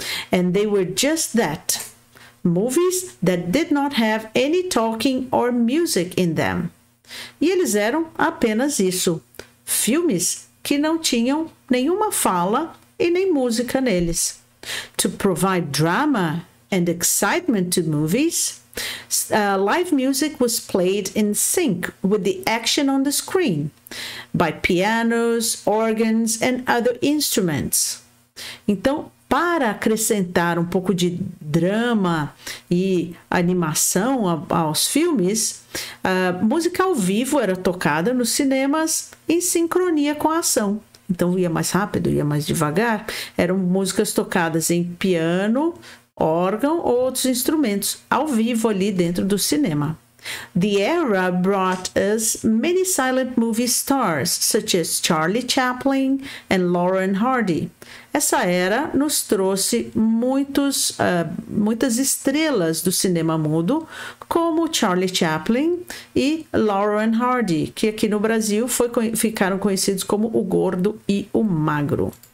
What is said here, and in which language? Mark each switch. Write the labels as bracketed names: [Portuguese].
[English] And they were just that, movies that did not have any talking or music in them. [Portuguese] E eles eram apenas isso, filmes que não tinham nenhuma fala e nem música neles. [English] To provide drama and excitement to movies, live music was played in sync with the action on the screen, by pianos, organs and other instruments. [Portuguese] Então, para acrescentar um pouco de drama e animação aos filmes, a música ao vivo era tocada nos cinemas em sincronia com a ação. Então, ia mais rápido, ia mais devagar. Eram músicas tocadas em piano, órgão ou outros instrumentos ao vivo ali dentro do cinema. [English] The era brought us many silent movie stars, such as Charlie Chaplin and Lauren Hardy. [Portuguese] Essa era nos trouxe muitas estrelas do cinema mudo, como Charlie Chaplin e Lauren Hardy, que aqui no Brasil ficaram conhecidos como o Gordo e o Magro.